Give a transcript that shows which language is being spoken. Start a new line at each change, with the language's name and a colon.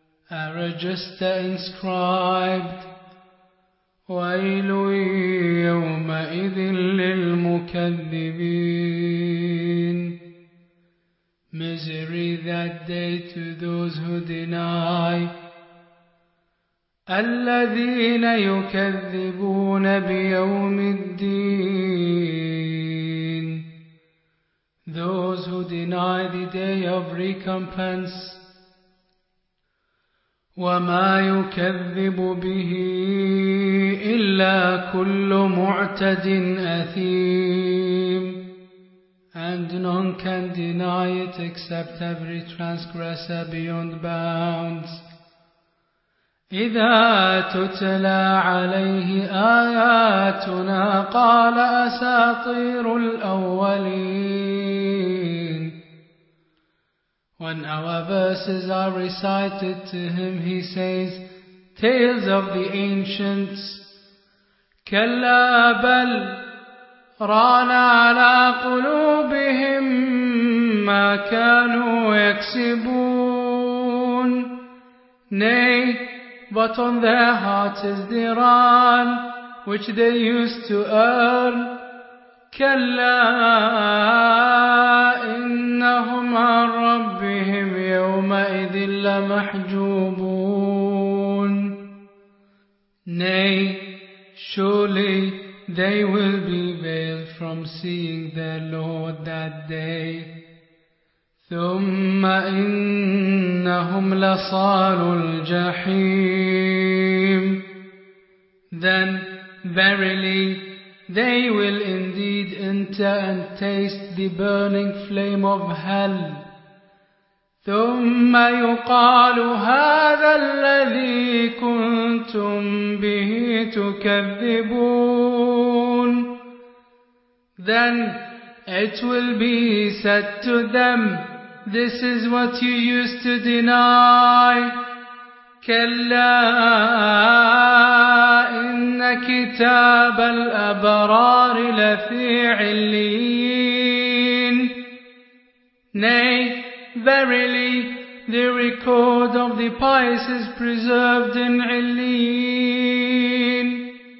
English: A register inscribed.
Arabic: ويل يومئذ للمكذبين.
English: Misery that day to those who deny.
Arabic: الذين يكذبون بيوم الدين.
English: Those who deny the day of recompense.
Arabic: وما يكذب به إلا كل معتد أثيم.
English: And none can deny it except every transgressor beyond bounds.
Arabic: إذا تتلى عليه آياتنا قال أساطير الأولين.
English: When our verses are recited to him, he says, Tales of the ancients.
Arabic: كلا بل ران على قلوبهم ما كانوا يكسبون.
English: Nay, but on their hearts is the ran which they used to earn.
Arabic: كلا إنهم عن ربهم يومئذ لمحجوبون.
English: Nay, surely they will be veiled from seeing their Lord that day.
Arabic: ثم إنهم لصالوا الجحيم.
English: Then verily they will indeed enter and taste the burning flame of hell.
Arabic: ثم يقال هذا الذي كنتم به تكذبون.
English: Then it will be said to them, This is what you used to deny.
Arabic: كلا إن كتاب الأبرار لفي عليين.
English: Nay, verily, the record of the pious is preserved in عليين.